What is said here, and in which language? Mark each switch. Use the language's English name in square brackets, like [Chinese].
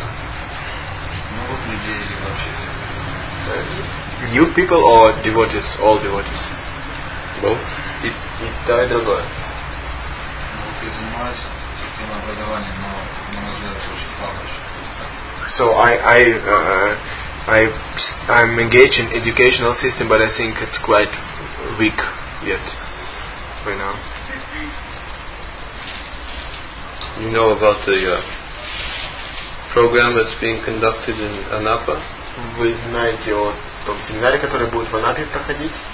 [Russian] Ну, вот людей или вообще всех. [English] New people or devotees? All devotees? Both. [Russian] И то, и другое. Ну, вот я занимаюсь системой образования, но, на мой взгляд, это очень слабо. [English] So, I'm engaged in educational system, but I think it's quite weak yet. Right now. You know about the program that's being conducted in Anapa? [Russian] Вы знаете о том семинаре, который будет в Анапе проходить?